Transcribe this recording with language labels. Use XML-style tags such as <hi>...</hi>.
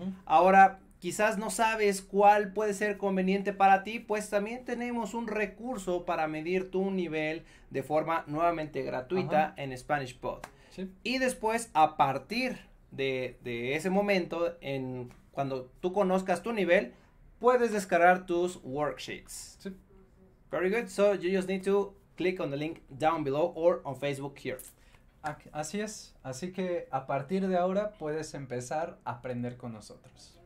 <es>Ahora, quizás no sabes cuál puede ser conveniente para ti, pues también tenemos un recurso para medir tu nivel de forma nuevamente gratuita en SpanishPod. Sí. Y después, a partir de ese momento, en cuando tú conozcas tu nivel, puedes descargar tus worksheets.</es> <en>Very good. So you just need to click on the link down below or on Facebook here.</en> <es>Así es, así que a partir de ahora puedes empezar a aprender con nosotros.</es>